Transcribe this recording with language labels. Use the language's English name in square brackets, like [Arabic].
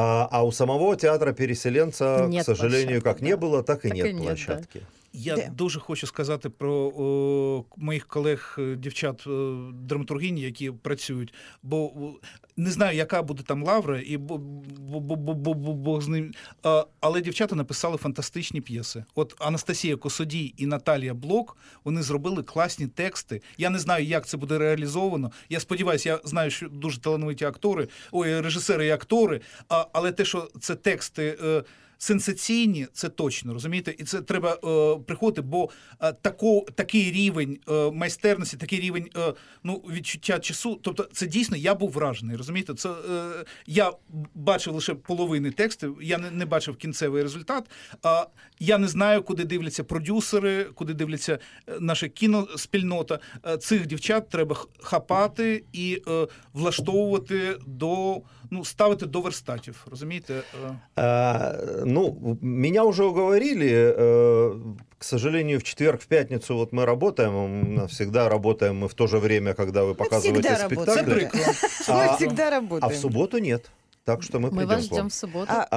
[Russian] А у самого театру переселенця, к сожалению, площадки, как не было, так и нет площадки. [Ukrainian] Я дуже хочу сказати про моїх колег, дівчат, драматургині, які працюють, бо не знаю, яка буде там Лавра, і бо з ним. Але дівчата написали фантастичні п'єси. От Анастасія Косодій і Наталія Блок, вони зробили класні тексти. Я не знаю, як це буде реалізовано. Я сподіваюся, я знаю, що дуже талановиті актори, режисери і актори, але те, що це тексти сенсаційні, це точно, розумієте? І це треба приходити, бо такий рівень майстерності, такий рівень відчуття часу, тобто це дійсно, я був вражений, розумієте? Це, я бачив лише половини тексту, я не бачив кінцевий результат, я не знаю, куди дивляться продюсери, куди дивляться наша кіноспільнота. Цих дівчат треба хапати і влаштовувати до... ставити до верстатів, розумієте? [Russian] Меня уже уговорили, к сожалению, в четверг, в пятницу вот мы работаем, всегда работаем мы в то же время, когда вы показываете спектакль. Мы всегда работаем. А в субботу нет. Так что мы придем. Мы вас ждем в субботу.